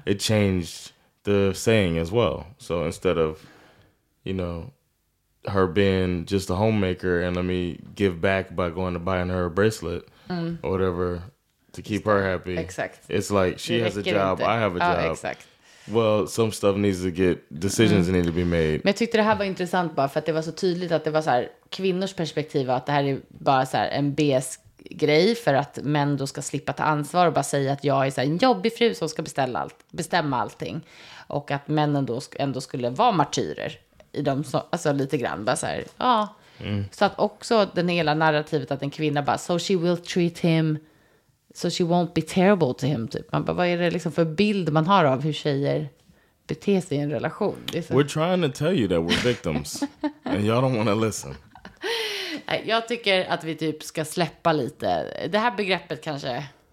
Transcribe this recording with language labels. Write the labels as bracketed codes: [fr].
[en] it changed the saying as well. So instead of, you know, her being just a homemaker and let me give back by going to buying her a bracelet or whatever to keep her happy, exactly. It's like she has a job, I have a job. Exactly. Well, some stuff needs to get decisions need to be made. [sv] Men jag tyckte det här var intressant bara för att det var så tydligt att det var så här kvinnors perspektiv och att det här är bara så här en BS grej för att män då ska slippa ta ansvar och bara säga att jag är så här en jobbig fru som ska bestämma allting och att männen då ändå skulle vara martyrer i de så alltså lite grann bara så här ja. Så att också den hela narrativet att en kvinna bara [en] so she will treat him. So she won't be terrible to him, typ. [sv] Man bara, vad är det liksom för bild man har av hur tjejer beter sig i en relation? Det är [en] så... We're trying to tell you that we're victims. And y'all don't want to listen. [sv] Jag tycker att vi typ ska släppa lite. Det här begreppet kanske...